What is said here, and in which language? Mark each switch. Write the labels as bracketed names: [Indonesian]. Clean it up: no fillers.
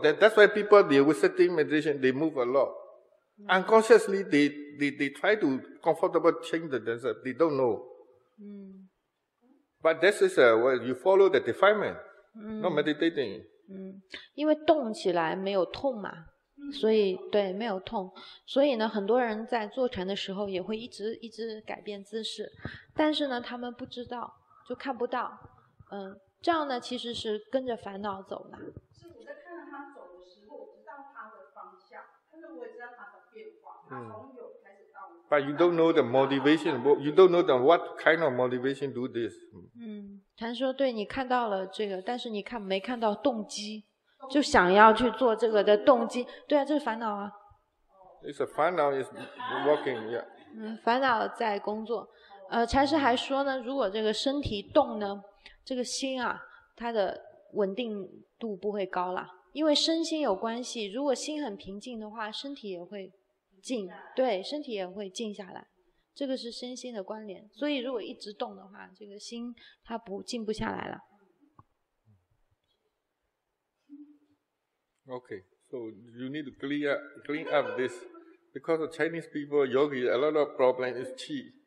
[English] That's why people, they with sitting meditation, they move a lot. Unconsciously, they try to comfortable change the dancer. They don't know. But this is well, you follow the defilement, not meditating. [Chinese] 因为动起来没有痛嘛。所以对没有痛，所以呢很多人在坐禅的时候也会一直一直改变姿势，但是呢他们不知道，就看不到。这样呢其实是跟着烦恼走的。是我在看到他走的时候，我知道他的方向，但是我也知道他的变化，从有开始到无。 [English] But you don't know the motivation. You don't know the what kind of motivation do this. [Chinese] 禅说对你看到了这个，但是你看没看到动机，就想要去做这个的动机。对啊，这是烦恼啊。 [English] It's a 烦恼 is working, yeah. [Chinese] 烦恼在工作。禅师还说呢，如果这个身体动呢，这个心啊，它的稳定度不会高了，因为身心有关系。如果心很平静的话，身体也会静，对，身体也会静下来。这个是身心的关联。所以，如果一直动的话，这个心它不静不下来了。 [English] Okay, so you need to clean up this because of Chinese people yogi a lot of problem is qi.